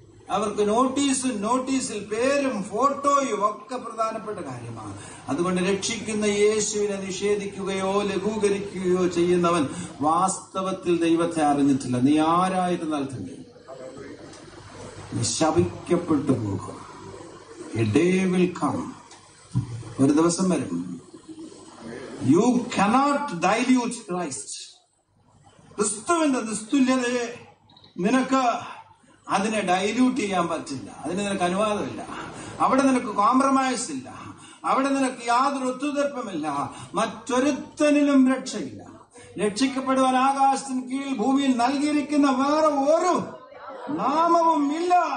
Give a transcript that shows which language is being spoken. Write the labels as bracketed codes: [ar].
[ml] അവർക്ക് നോട്ടീസും നോട്ടീസിൽ പേരും ഫോട്ടോയും ഒക്കെ പ്രധാനപ്പെട്ട കാര്യമാണ്. അതുകൊണ്ട് രക്ഷിക്കുന്ന യേശുവിനെ നിഷേധിക്കുകയോ ലഘൂകരിക്കുകയോ ചെയ്യുന്നവൻ വാസ്തവത്തിൽ ദൈവത്തെ അറിഞ്ഞിട്ടില്ല. നീ ആരായിരുന്നാൽ തന്നെ നീ ശപിക്കപ്പെട്ടു പോകും. എഡേ വിൽക്കം. ഒരു ദിവസം വരും. [en] You cannot dilute Christ. [ml] ക്രിസ്തുവിന്റെ നിസ്തുല്യതയെ നിനക്ക് അതിനെ ഡൈല്യൂട്ട് ചെയ്യാൻ പറ്റില്ല. അതിന് നിനക്ക് അനുവാദമില്ല. അവിടെ നിനക്ക് കോംപ്രമൈസ് ഇല്ല. അവിടെ നിനക്ക് യാതൊരു ഒത്തുതീർപ്പമില്ല. മറ്റൊരുത്തനിലും രക്ഷയില്ല. രക്ഷിക്കപ്പെടുവാൻ ആകാശത്തിന് കീഴിൽ ഭൂമിയിൽ നൽകിയിരിക്കുന്ന വേറെ ഒരു നാമവും ഇല്ല.